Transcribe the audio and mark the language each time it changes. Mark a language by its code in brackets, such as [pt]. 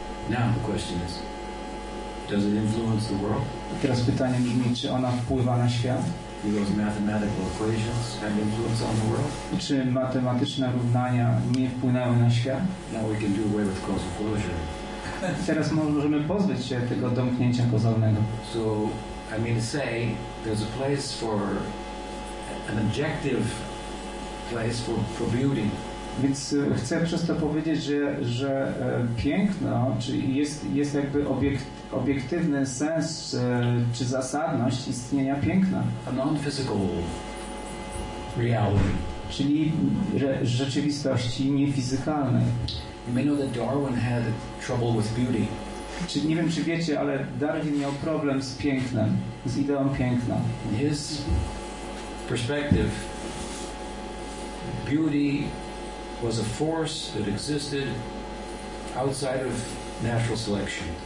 [en] Now the question is, does it influence the world? [pl] Teraz pytanie brzmi, czy ona wpływa na świat? [en] Because mathematical equations have influence on the world? [pl] Czy matematyczne równania nie wpłynęły na świat? [en] Now we can do away with causal closure. [pl] Teraz możemy pozbyć się tego domknięcia kozalnego. [en] So, I mean to say, there's a place for an objective place for beauty. [pl] Więc chcę przez to powiedzieć, że piękno, czy jest jakby obiektywny sens, czy zasadność istnienia piękna. [en] A non-physical reality. [pl] Czyli rzeczywistości niefizykalnej. [en] You may know that Darwin had trouble with beauty. [pl] Czy nie wiem, czy wiecie, ale Darwin miał problem z pięknem, z ideą piękna. [en] His perspective, beauty was a force that existed outside of natural selection.